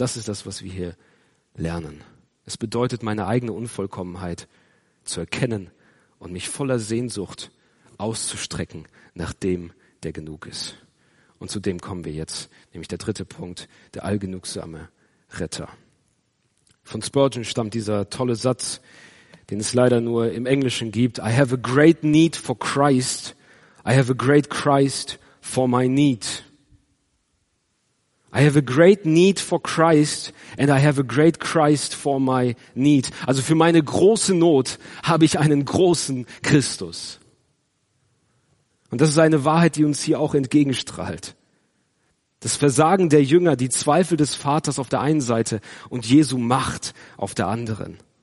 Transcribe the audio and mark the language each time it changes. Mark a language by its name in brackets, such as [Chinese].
[German] Das ist das, was wir hier lernen. Es bedeutet, meine eigene Unvollkommenheit zu erkennen und mich voller Sehnsucht auszustrecken nach dem, der genug ist. Und zu dem kommen wir jetzt, nämlich der dritte Punkt, der allgenugsame Retter. Von Spurgeon stammt dieser tolle Satz, den es leider nur im Englischen gibt. [English] I have a great need for Christ. I have a great Christ for my need. I have a great need for Christ and I have a great Christ for my need. [German] Also für meine große Not habe ich einen großen Christus. Und das ist eine Wahrheit, die uns hier auch entgegenstrahlt. Das Versagen der Jünger, die Zweifel des Vaters auf der einen Seite und Jesu Macht auf der anderen.